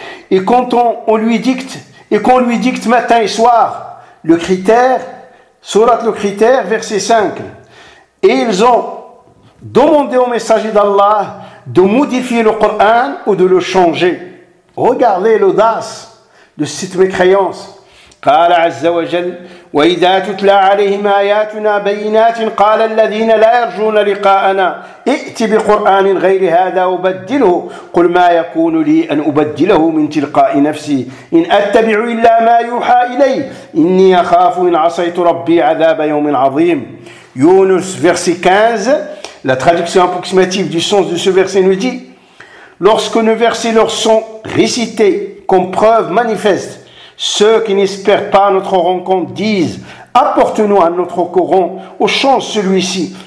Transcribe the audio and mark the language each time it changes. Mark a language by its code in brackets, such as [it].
[fr] Et quand on lui dicte matin et soir le critère, surat le critère, verset 5, et ils ont demandé au messager d'Allah de modifier le Coran ou de le changer. Regardez l'audace de cette mécréance. [ar] قال عز وجل وإذا تتلى عليهم آياتنا بينات قال الذين لا يرجون لقاءنا ائت بقرآن غير هذا وبدله قل ما يكون لي أن أبدله من تلقاء نفسي إن أتبع إلا ما يوحى إلي إني أخاف إن عصيت ربي عذاب يوم عظيم. يونس verse 15. [fr] La traduction approximative du sens de ce verset nous dit: lorsque nos versets leur sont récités comme preuve manifeste, ceux qui n'espèrent pas notre rencontre disent: apporte-nous à notre Coran, au chant celui-ci.